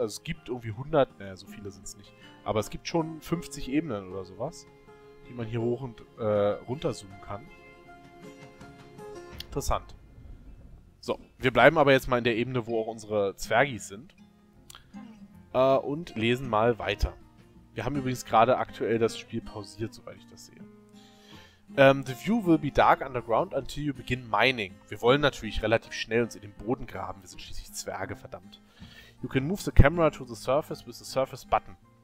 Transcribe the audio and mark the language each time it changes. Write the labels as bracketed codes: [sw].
[de] Also es gibt irgendwie 100, naja, so viele sind es nicht. Aber es gibt schon 50 Ebenen oder sowas, die man hier hoch und runter zoomen kann. Interessant. So, wir bleiben aber jetzt mal in der Ebene, wo auch unsere Zwergis sind. Und lesen mal weiter. Wir haben übrigens gerade aktuell das Spiel pausiert, soweit ich das sehe. [en] The view will be dark underground until you begin mining. [de] Wir wollen natürlich relativ schnell uns in den Boden graben. Wir sind schließlich Zwerge, verdammt. [en] You can move the camera to the surface with the surface button.